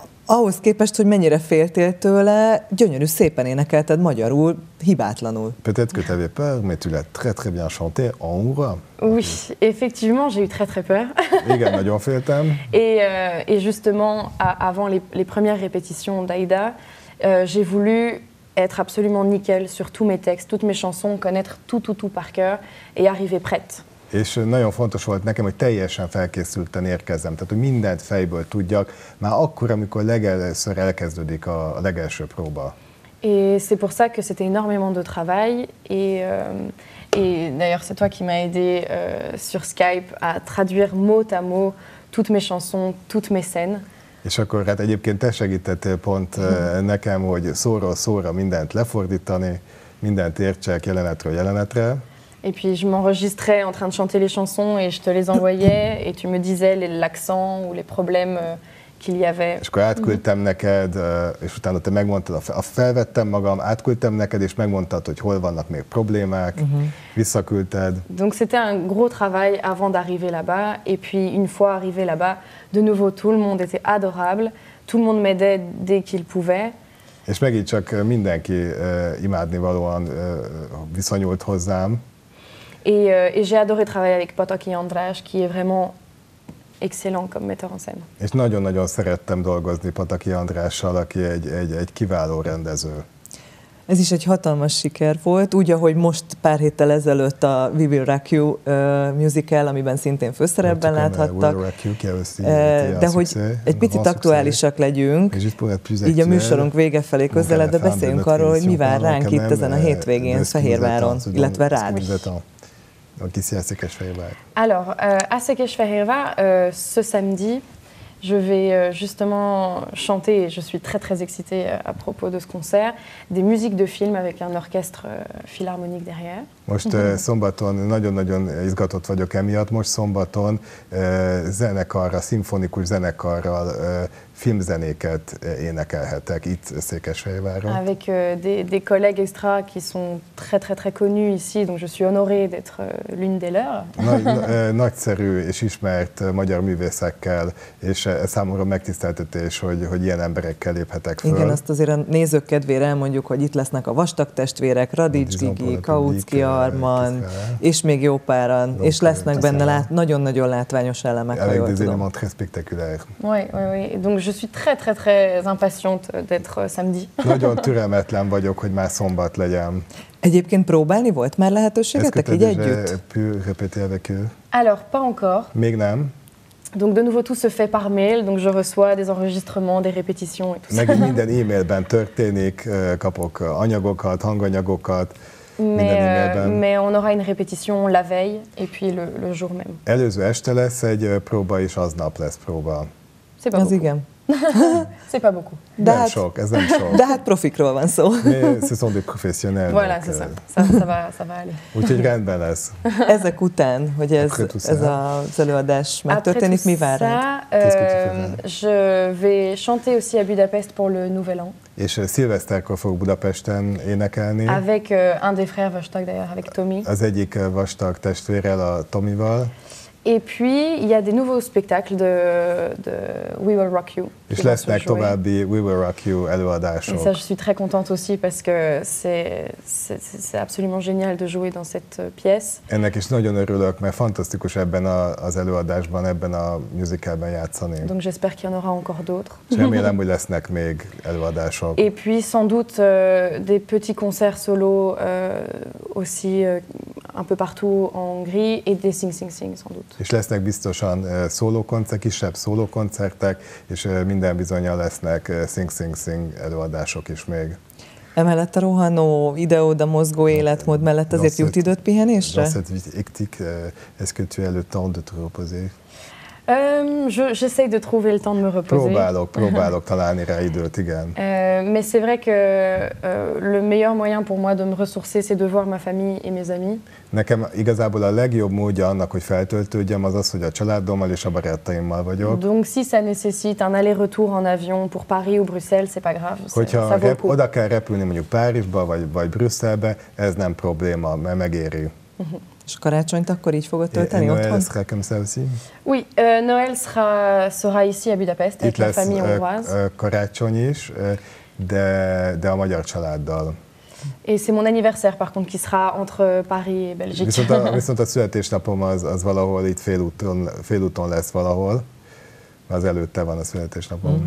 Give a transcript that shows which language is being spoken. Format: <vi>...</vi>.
<hu>ahhoz képest, hogy mennyire féltél tőle, gyönyörű szépen énekelted magyarul, hibátlanul.</hu> <fr>Peut-être que tu avais peur, mais tu l'as très très bien chanté en hongrois. Oui, effectivement, j'ai eu très très peur.</fr> <hu>Igen, nagyon féltem.</hu> <fr>Et justement, avant les premières répétitions d'Aïda, j'ai voulu être absolument nickel sur tous mes textes, toutes mes chansons, connaître tout par cœur et arriver prête.</fr> <hu>És nagyon fontos volt nekem, hogy teljesen felkészülten érkezzem, tehát hogy mindent fejből tudjak, már akkor, amikor legelőször elkezdődik a legelső próba.</hu> <fr>Et c'est pour ça que c'était énormément de travail et d'ailleurs c'est toi qui m'as aidé sur Skype à traduire mot à mot toutes mes chansons, toutes mes scènes.</fr> <hu>És akkor hát egyébként te segítettél pont nekem, hogy szóról szóra mindent lefordítani, mindent értsek jelenetről jelenetre.</hu> <fr>Et puis je m'enregistrais en train de chanter les chansons et je te les envoyais et tu me disais l'accent ou les problèmes qu'il y avait.</fr> <hu>És akkor átküldtem neked, és utána te megmondtad, felvettem magam, átküldtem neked, és megmondtad, hogy hol vannak még problémák, visszaküldted.</hu> <fr>Donc c'était un gros travail avant d'arriver là-bas et puis une fois arrivé là-bas, de nouveau tout le monde était adorable, tout le monde m'aidait dès qu'il pouvait.</fr> <hu>És megint csak mindenki imádnivalóan viszonyult hozzám.</hu> <fr>Et j'ai adoré travailler avec Pataki András, qui est vraiment excellent comme metteur en scène.</fr> <hu>És nagyon-nagyon szerettem dolgozni Pataki Andrással, aki egy kiváló rendező. Ez is egy hatalmas siker volt, úgy, ahogy most pár héttel ezelőtt a We Will Rock You musical, amiben szintén főszerepben láthattak. De hogy egy picit aktuálisak legyünk, így a műsorunk vége felé közeled, de beszéljünk arról, hogy mi vár ránk itt ezen a hétvégén Fehérváron, illetve rád.</hu> <fr>Donc ici à Székesfehérvár. Alors, à Székesfehérvár, ce samedi, je vais justement chanter, et je suis très très excitée à propos de ce concert, des musiques de films avec un orchestre philharmonique derrière.</fr> <hu>Most szombaton nagyon-nagyon izgatott vagyok emiatt, most szombaton zenekarra, szimfonikus zenekarral filmzenéket énekelhetek itt Székesfehérváron.</hu> <fr>Avec des collègues extra qui sont très très très connus ici, donc je suis honorée d'être l'une des leurs.</fr> <hu>Nagyszerű és ismert magyar művészekkel, és számomra megtiszteltetés, hogy ilyen emberekkel léphetek föl. Igen, azt azért a nézők kedvére elmondjuk, hogy itt lesznek a Vastag testvérek, Radics Gigi, Kautsky Arman, és még jó páran, donc, és lesznek benne nagyon-nagyon látványos elemek, ha jól tudom. Elég</hu> <fr>très spectaculaire. Oui. Donc je suis très très très impatiente d'être samedi.</fr> <hu>Nagyon türelmetlen vagyok, hogy már szombat legyen. Egyébként próbálni volt már lehetőségetek így együtt?</hu> <fr>Est-ce que t'as déjà pu répéter avec eux? Alors, pas encore.</fr> <hu>Még nem.</hu> <fr>Donc de nouveau tout se fait par mail, donc je reçois des enregistrements, des répétitions et tout ça.</fr> <hu>Meg minden e-mailben történik, kapok anyagokat, hanganyagokat.</hu> <fr>Mais on aura une répétition la veille et puis le jour même.</fr> <hu>Előző este lesz egy próba és aznap lesz próba.</hu> <fr>C'est pas beaucoup.</fr> <hu>Igen.</hu> <fr>C'est pas beaucoup.</fr> <hu>Ez nem sok. De hát profikról van szó.</hu> <fr>Ce sont des professionnels. Voilà, ça va aller.</fr> <hu>Úgyhogy rendben lesz. Ezek után, hogy ez az előadás megtörténik, mi vár rád?</hu> <fr>Je vais chanter aussi à Budapest pour le nouvel an.</fr> <hu>És szilveszterkor fogok Budapesten énekelni.</hu> <fr>Avec un des frères Vastag d'ailleurs, avec Tommy.</fr> <hu>Az egyik Vastag testvérrel, a Tommyval.</hu> <fr>Et puis il y a des nouveaux spectacles de We Will Rock You.</fr> <hu>És lesznek további We Will Rock You előadások.</hu> <fr>Et ça, je suis très contente aussi parce que c'est absolument génial de jouer dans cette pièce.</fr> <hu>Ennek is nagyon örülök, mert fantasztikus ebben az előadásban, ebben a musicalben játszani.</hu> <fr>Donc j'espère qu'il y en aura encore d'autres.</fr> <hu>Remélem, hogy lesznek még előadások.</hu> <fr>Et puis sans doute des petits concerts solo aussi un peu partout en Hongrie et des Sing Sing Sing sans doute.</fr> <hu>És lesznek biztosan szólókoncertek, kisebb szólókoncertek, és minden bizonnyal lesznek Sing Sing Sing előadások is még. Emellett a rohanó ide-oda mozgó életmód mellett azért jut időt pihenésre?</hu> <fr>Dans cette vie hectique, est-ce que tu as le temps de te reposer? J'essaie de trouver le temps de me reposer.</fr> <hu>Próbálok találni rá időt, igen.</hu> <fr>Mais c'est vrai que le meilleur moyen pour moi de me ressourcer, c'est de voir ma famille et mes amis.</fr> <hu>Nekem igazából a legjobb módja annak, hogy feltöltődjem, az, hogy a családommal és a barátaimmal vagyok.</hu> <fr>Donc si ça nécessite un aller-retour en avion pour Paris ou Bruxelles, c'est pas grave.</fr> <hu>Hogyha oda kell repülni mondjuk Párizsba vagy Brüsszelbe, ez nem probléma, mert megéri. És karácsonyt akkor így fogod tölteni otthon?</hu> <fr>Et Noël sera comme ça aussi? Oui, Noël sera ici à Budapest, avec la famille hongroise.</fr> <hu>Itt lesz karácsony is, de a magyar családdal.</hu> <fr>Et c'est mon anniversaire par contre qui sera entre Paris et Belgique.</fr> <hu>Viszont a születésnapom az valahol itt félúton lesz valahol. Az előtte van a születésnapom.</hu>